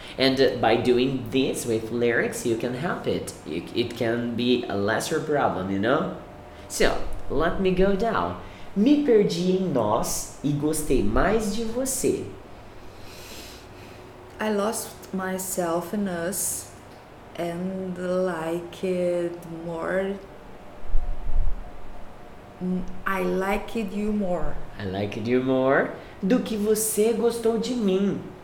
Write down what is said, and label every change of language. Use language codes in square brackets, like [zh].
[en] And by doing this with lyrics, you can help it. It can be a lesser problem, you know? So, let me go down. [pt] Me perdi em nós e gostei mais de você. [en] I lost myself in us and liked more. I liked you more. I liked you more. [pt] Do que você gostou de mim.